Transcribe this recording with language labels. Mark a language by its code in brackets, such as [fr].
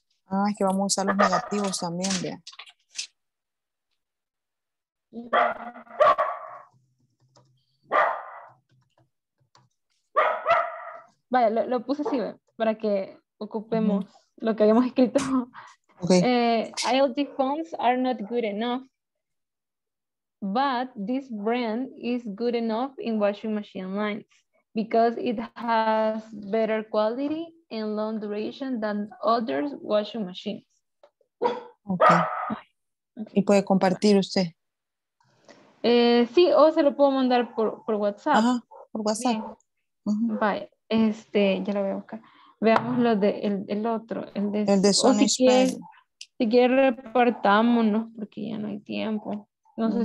[es] Ah, es que vamos a usar los negativos también, vea. Vaya, lo puse así para que ocupemos uh-huh. lo que habíamos escrito. [en] Okay. LG phones are not good enough, but this brand is good enough in washing machine lines because it has better quality and long duration than other washing machines. [es] Okay. ¿Y puede compartir usted? Sí, o se lo puedo mandar por WhatsApp. Ajá, por WhatsApp. Uh-huh. Bye. Este, ya lo voy a buscar. Veamos lo de el otro, el de Sony. Si quiere repartámonos porque ya no hay tiempo. No uh-huh.